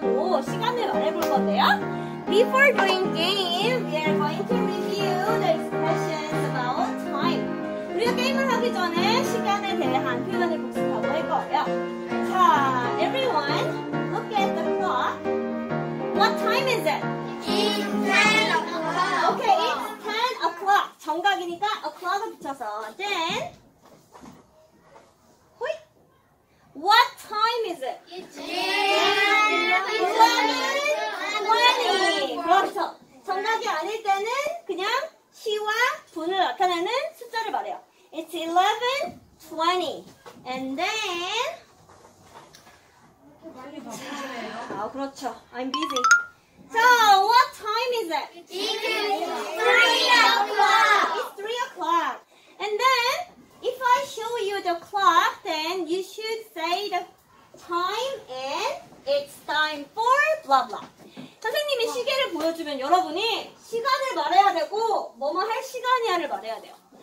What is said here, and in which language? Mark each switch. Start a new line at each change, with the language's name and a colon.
English: Before doing game, we are going to review the expressions about time.
Korean: 우리가 게임을 하기 전에 시간에 대한 표현을 복습하고 할 거예요.
English: 자, everyone, look at the clock. What time is it? It's 10 o'clock. Okay, it's 10 o'clock.
Korean: 정각이니까 o'clock 붙여서
English: 10. What time is it? It's
Korean: 11:20. 그렇죠. 정각이 아닐 때는 그냥 시와 분을 나타내는 숫자를 말해요.
English: It's 11:20. And then
Korean: 아, 그렇죠.
English: I'm busy. So, what time is it? It's 3 o'clock. It's 3 o'clock. And then if I show you the clock, then you should say the time and it's time for blah blah.
Korean: 선생님이 시계를 보여주면 여러분이 시간을 말해야 되고 뭐뭐 할 시간이야를 말해야 돼요.